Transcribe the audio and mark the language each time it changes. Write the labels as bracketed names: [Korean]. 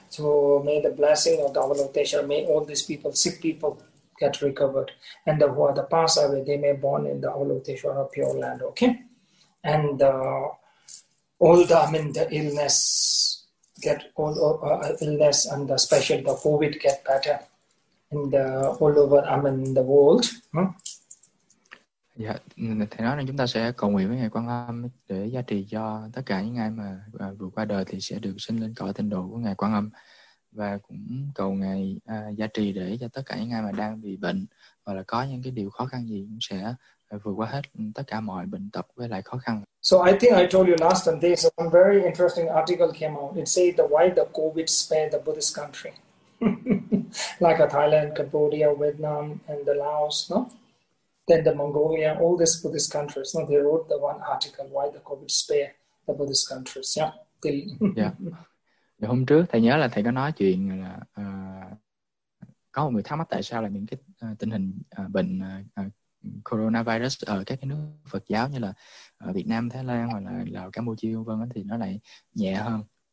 [English] So may the blessing of the Avalokiteshvara, may all these people, sick people, get recovered. And the, who are the pass away, they may born in the Avalokiteshvara pure land, okay? And all the, I mean, the illness, get all illness and the, especially the COVID get better. And all over, I mean, the world. [Vietnamese] Yeah, thầy nói là chúng ta sẽ cầu nguyện với Ngài Quan Âm để gia trì cho tất cả những ai mà vừa qua đời thì sẽ được sinh lên cõi tịnh độ của Ngài Quan Âm, và cũng cầu Ngài gia trì để cho tất cả những ai mà đang bị bệnh hoặc là có những cái điều khó khăn gì cũng sẽ vượt qua hết tất cả mọi bệnh tật với lại khó khăn. [English] So I think I told you last time this one very interesting article came out. It said the why the COVID spared the Buddhist country. Like a Thailand, Cambodia, Vietnam, and the Laos, no? Then the Mongolia, all these Buddhist countries, no? They wrote the one article, why the COVID spare the Buddhist countries, yeah? [Vietnamese] Thì... [English] yeah. [Vietnamese] Hôm trước, thầy nhớ là thầy có nói chuyện là có một người thắc mắc tại sao là những cái tình hình bệnh coronavirus ở các cái nước Phật giáo như là Việt Nam, Thái Lan, hoặc là Lào, Campuchia, v.v. thì nó lại nhẹ hơn.